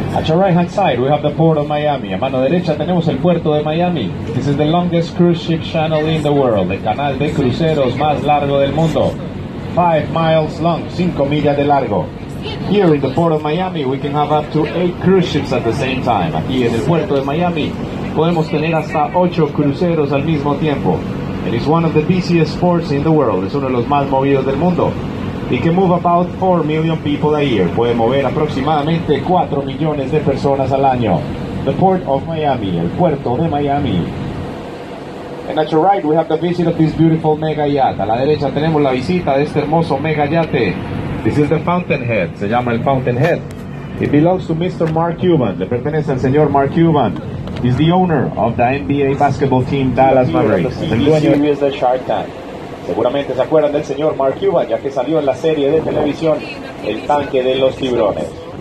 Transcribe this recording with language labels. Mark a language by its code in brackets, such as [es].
[en] Right hand side, we have the port of Miami. [es] A mano derecha tenemos el puerto de Miami. [en] This is the longest cruise ship channel in the world. [es] El canal de cruceros más largo del mundo. [en] 5 miles long, [es] 5 millas de largo. [en] Here in the port of Miami, we can have up to 8 cruise ships at the same time. [es] Aquí en el puerto de Miami, podemos tener hasta 8 cruceros al mismo tiempo. [en] It is one of the busiest ports in the world. [es] Es uno de los más movidos del mundo. [en] It can move about 4 million people a year. [es] Puede mover aproximadamente 4 millones de personas al año. [en] The port of Miami, [es] el puerto de Miami. [en] And at your right, we have the visit of this beautiful mega yacht. [es] A la derecha tenemos la visita de este hermoso mega yate. [en] This is the Fountainhead. [es] Se llama el Fountainhead. [en] It belongs to Mr. Mark Cuban. [es] Le pertenece al señor Mark Cuban. [en] He's the owner of the NBA basketball team Dallas Mavericks. [es] El dueño es el Shark Tank. Seguramente se acuerdan del señor Mark Cuban, ya que salió en la serie de televisión El Tanque de los Tiburones.